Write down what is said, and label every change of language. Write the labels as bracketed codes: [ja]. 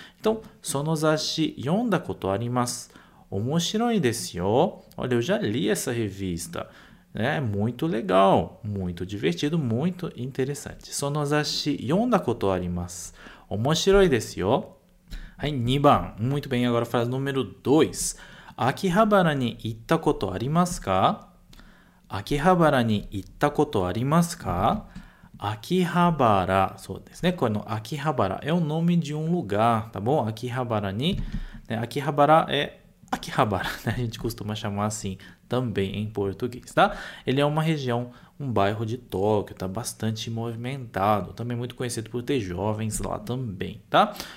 [ja] Então, sono zashi yonda koto arimasu. Omoshiroi desu yo. [pt] Olha, eu já li essa revista. É muito legal, muito divertido, muito interessante. [ja] Sono zashi yonda koto arimasu. Omoshiroi desu yo. はい、2番。 [pt] Muito bem, agora frase número 2. [ja] 秋葉原に行ったことありますか？秋葉原に行ったことありますか？秋葉原、そうですね。 [pt] この秋葉原é o nome de um lugar, tá bom? [ja] 秋葉原に、ね、 [pt] 秋葉原é 秋葉原、ね、a gente costuma chamar assim também em português, tá? Ele é uma região, um bairro de Tóquio, tá bastante movimentado, também muito conhecido por ter jovens lá também, tá?